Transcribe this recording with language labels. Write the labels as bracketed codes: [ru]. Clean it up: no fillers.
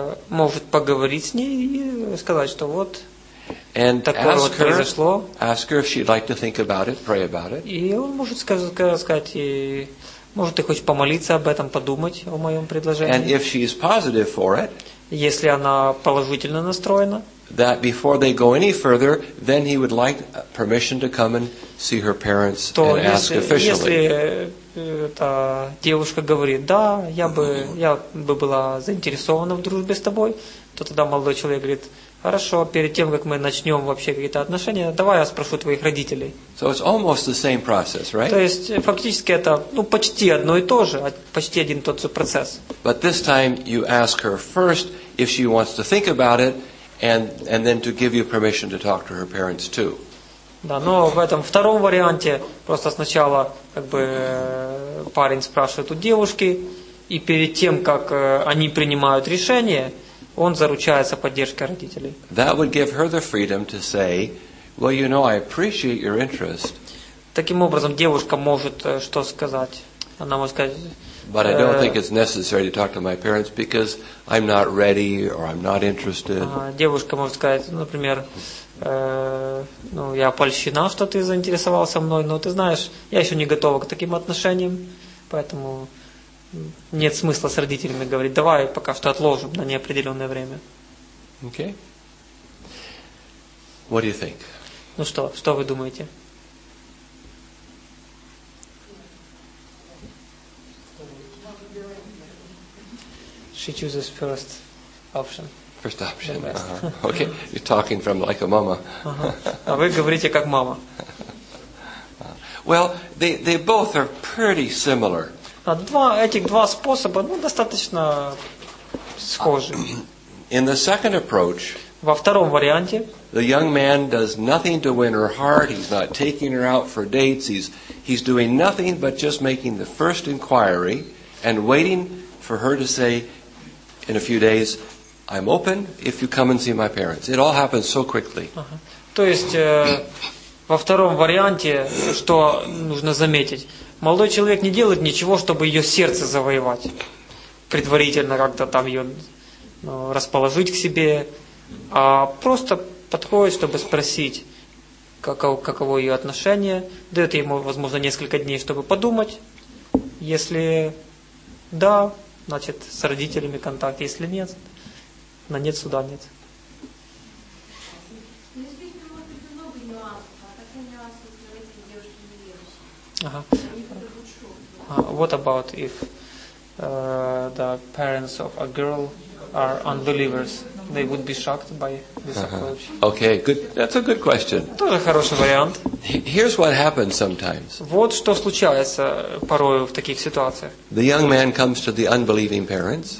[ru] Может поговорить с ней и сказать, что вот. [en] And [ru] такое [en] ask her. [ru] Произошло. [en] Ask her if she'd like to think about it, pray about it. [ru] И он может сказать, может ты хочешь помолиться об этом, подумать о моем предложении. [en] And if she's positive for it. [ru] Если она положительно настроена. [en] That before they go any further, then he would like permission to come and see her parents and ask officially. [ru] Эта девушка говорит, да, я бы была заинтересована в дружбе с тобой, то тогда молодой человек говорит, хорошо, перед тем, как мы начнем вообще какие-то отношения, давай я спрошу твоих родителей. [en] So it's almost the same process, right? [ru] То есть, фактически, это ну, почти одно и то же, почти один тот же процесс. [en] But this time you ask her first if she wants to think about it, and then to give you permission to talk to her parents too. [ru] Да, но в этом втором варианте просто сначала как бы парень спрашивает у девушки, и перед тем, как они принимают решение, он заручается поддержкой родителей. [en] That would give her the freedom to say, well, you know, I appreciate your interest. [ru] Таким образом, девушка может что сказать? Она может сказать... [en] But I don't think it's necessary to talk to my parents because I'm not ready or I'm not interested. [ru] Девушка может сказать, например... Ну, я польщена, что ты заинтересовался мной, но ты знаешь, я еще не готова к таким отношениям, поэтому нет смысла с родителями говорить, давай пока что отложим на неопределенное время. [en] Okay. What do you think? [ru] Ну что, что вы думаете? [en] She chooses first option. First option. Uh-huh. Okay, you're talking from like a mama. [ru] А вы говорите как мама. [en] Well, they both are pretty similar. [ru] Этих два способа достаточно схожи. [en] In the second approach, [ru] во втором варианте, [en] the young man does nothing to win her heart. He's not taking her out for dates. He's doing nothing but just making the first inquiry and waiting for her to say in a few days. I'm open if you come and see my parents. It all happens so quickly. [ru] То есть во втором варианте, что нужно заметить, молодой человек не делает ничего, чтобы ее сердце завоевать, предварительно как-то там ее расположить к себе, а просто подходит, чтобы спросить, каково ее отношение, дает ему, возможно, несколько дней, чтобы подумать, если да, значит, с родителями контакт, если нет. На нет суда нет. [en] What about if the parents of a girl are unbelievers? They would be shocked by this approach. Okay, good. That's a good question. [ru] Тоже хороший вариант. [en] Here's what happens sometimes. [ru] Вот что случается порой в таких ситуациях. [en] The young man comes to the unbelieving parents.